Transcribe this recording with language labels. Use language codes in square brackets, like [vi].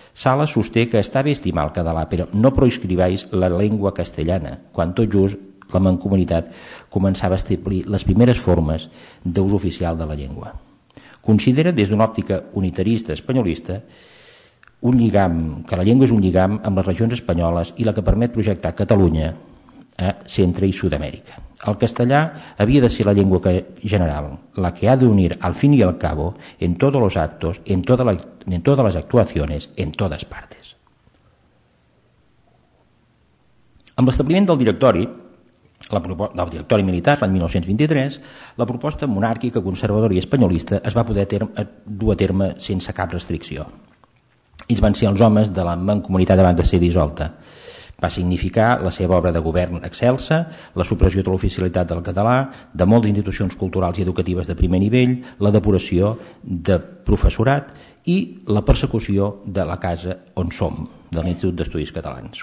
[ca] Sala sosté que està bé estimar el català, però no proscriveix la llengua castellana, quan tot just la Mancomunitat començava a establir les primeres formes d'ús oficial de la llengua. Considera, des d'una òptica unitarista espanyolista, un lligam, que la llengua és un lligam amb les regions espanyoles i la que permet projectar Catalunya a Centre i Sud-amèrica. El castellà havia de ser la llengua general, la que ha d'unir [es] al fin i al cabo en todos los actos, en todas las actuaciones, en todas partes. [ca] Amb l'establiment del directori, del directori militar l'any 1923, la proposta monàrquica, conservadora i espanyolista es va poder dur a terme sense cap restricció. Ells van ser els homes de la Mancomunitat abans de ser dissolta. Va significar la seva obra de govern excelsa, la supressió de l'oficialitat del català, de moltes institucions culturals i educatives de primer nivell, la depuració de professorat i la persecució de la casa on som, de l'Institut d'Estudis Catalans.